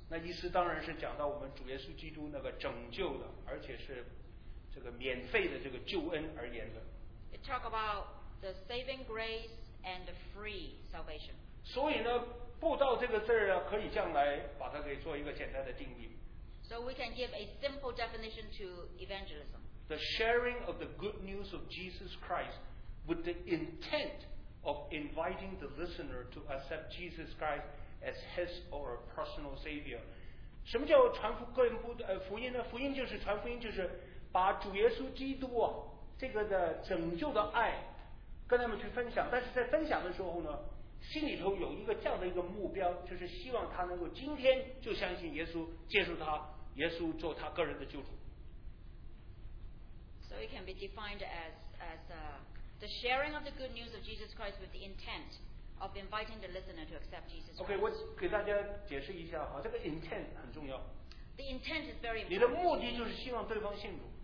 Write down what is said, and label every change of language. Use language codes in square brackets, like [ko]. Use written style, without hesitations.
[zh] 那意思当然是讲到我们主耶稣基督那个拯救的而且是这个免费的这个救恩而言的 [en] It talk about the saving graceAnd free salvation. [zh] 所以呢，布道这个字儿啊，可以将来把它给做一个简单的定义。 [en] So we can give a simple definition to evangelism. The sharing of the good news of Jesus Christ with the intent of inviting the listener to accept Jesus Christ as his or her personal savior. [zh] 什么叫传福音福音呢？福音就是传福音，就是把主耶稣基督啊这个的拯救的爱。跟他们去分享，但是在分享的时候呢，心里头有一个这样的一个目标，就是希望他能够今天就相信耶稣，接受他，耶稣做他个人的救主。 [en] So it can be defined as the sharing of the good news of Jesus Christ with the intent of inviting the listener to accept Jesus Christ. [zh] OK, 我给大家解释一下哈，这个 intent 很重要。 [en] The intent is very important. [zh] 你的目的就是希望对方信主。